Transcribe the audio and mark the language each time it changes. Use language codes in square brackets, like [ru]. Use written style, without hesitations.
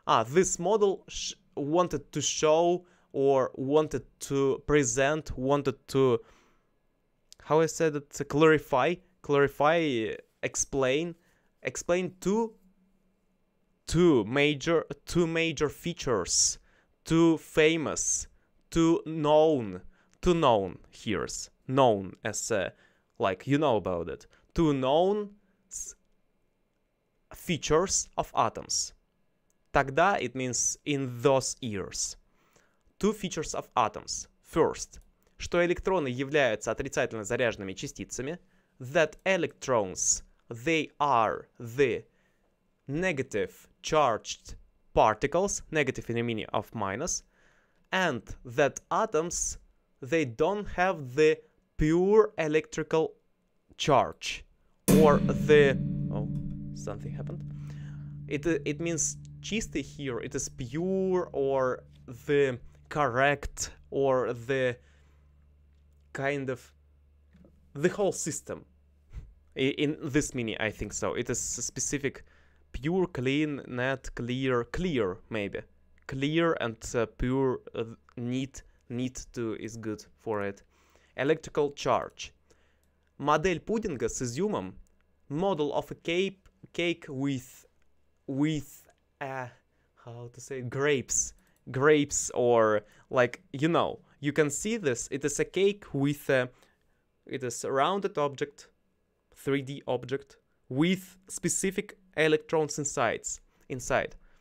[en] This model wanted to show or wanted to present, wanted to, how I said it, to clarify, explain two major features, two famous, two known here's known as like you know about it, two known features of atoms. [ru] Тогда, [en] it means in those years, two features of atoms. [ru] First, что электроны являются отрицательно заряженными частицами. [en] That electrons, they are the negative charged particles, negative in the meaning of minus. And that atoms, they don't have the pure electrical charge. Or the... Oh, something happened. It means чистый here. It is pure or the correct or the kind of... The whole system. In this meaning, I think so. It is specific pure, clean, net, clear, maybe. Clear and pure, neat to is good for it. Electrical charge. [ru] Модель пудинга с изюмом. [en] Model of a cake with a, how to say, grapes or like, you know, you can see this. It is a cake with a, it is a rounded object, 3D object with specific electrons inside.